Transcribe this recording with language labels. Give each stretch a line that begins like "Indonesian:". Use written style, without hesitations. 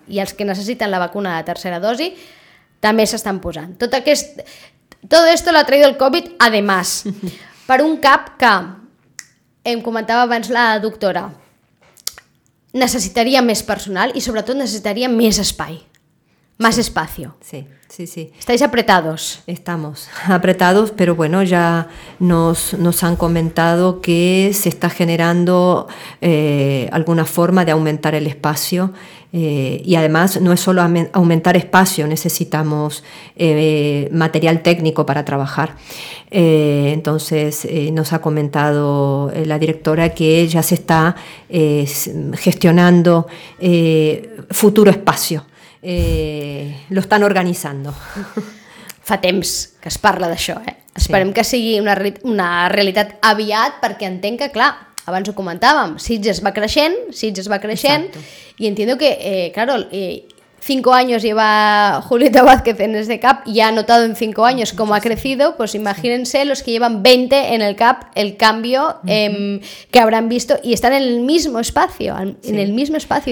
Catalan: I els que necessiten la vacuna de tercera dosi també s'estan posant. Tot esto l'ha traït el Covid, además, per un CAP que, em comentava abans la doctora, necessitaria més personal i sobretot necessitaria més espai.
Spanish: Más espacio. Sí, sí, sí. ¿Estáis apretados? Estamos apretados, pero bueno, ya nos han comentado que se está generando alguna forma de aumentar el espacio. Y además no es solo aumentar espacio, necesitamos material técnico para trabajar. Entonces nos ha comentado la directora que ya se está gestionando futuro espacio.
Catalan: Lo estan organitzant. Fa temps que es parla d'això, eh? Esperem, sí, que sigui una realitat aviat, perquè entenc que, clar, abans ho comentàvem, Sitges va creixent.
Spanish: Exacto. I entiendo que, claro, 5 años lleva Julieta Vázquez en este CAP y ha notado en 5 años cómo ha crecido, pues imagínense los que llevan 20 en el CAP, el cambio que habrán visto y están en el mismo espacio, en el mismo espacio